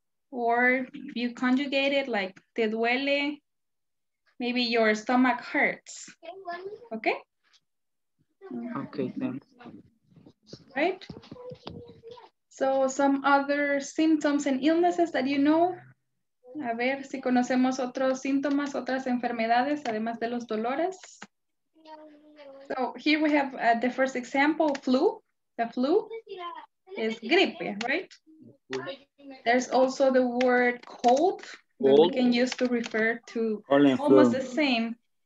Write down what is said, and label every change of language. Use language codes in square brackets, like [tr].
[en] Or if you conjugate it, like, [es] te duele. [en] Maybe your stomach hurts. Okay? Okay, thanks. Right? So some other symptoms and illnesses that you know. [es] A ver si conocemos otros síntomas, otras enfermedades, además de los dolores. [en] So here we have the first example, flu. The flu is gripe, right? There's also the word cold, that we can use to refer to almost the same.